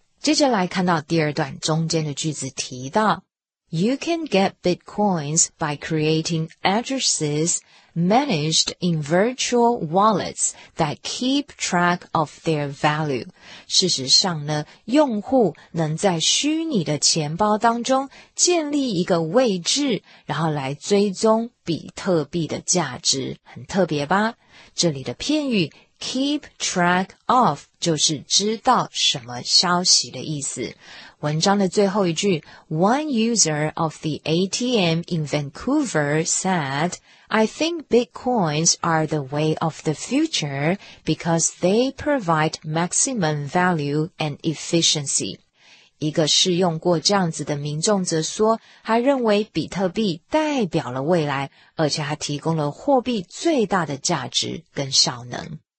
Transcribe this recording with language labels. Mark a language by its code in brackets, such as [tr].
[zh] 接着来看到第二段中间的句子提到 [en] You can get bitcoins by creating addresses managed in virtual wallets that keep track of their value. [zh] 事实上呢，用户能在虚拟的钱包当中建立一个位置，然后来追踪比特币的价值，很特别吧？这里的片语 keep track of 就是知道什么消息的意思。文章的最后一句 [en] ,One user of the ATM in Vancouver said, I think bitcoins are the way of the future because they provide maximum value and efficiency. [zh] 一个试用过这样子的民众则说他认为比特币代表了未来，而且还提供了货币最大的价值跟效能。